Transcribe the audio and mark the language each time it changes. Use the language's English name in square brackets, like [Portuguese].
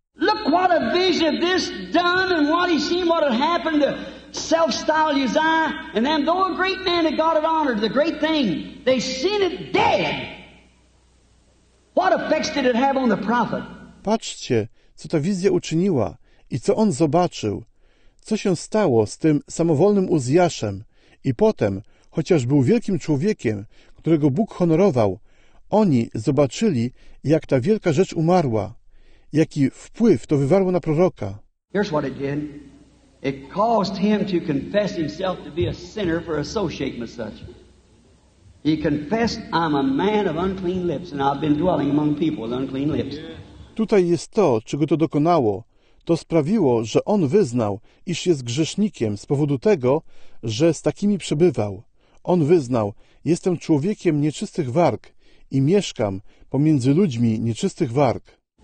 [English] Look what a vision this done and what he seen what had happened to self-styled Uzziah and them, though a great man that God had honored, the great thing, they seen it dead. What effects did it have on the prophet? [Polish] Patrzcie, co ta wizja uczyniła i co on zobaczył, co się stało z tym samowolnym Uzjaszem i potem, chociaż był wielkim człowiekiem, którego Bóg honorował, oni zobaczyli, jak ta wielka rzecz umarła, jaki wpływ to wywarło na proroka. [English] Here's what it did. It caused him to confess himself to be a sinner for associating with such. He confessed, I'm a man of unclean lips and I've been dwelling among people with unclean lips. [Polish] Tutaj jest to, czego to dokonało. To sprawiło, że on wyznał, iż jest grzesznikiem z powodu tego, że z takimi przebywał. On wyznał, jestem człowiekiem nieczystych warg i mieszkam pomiędzy ludźmi nieczystych warg.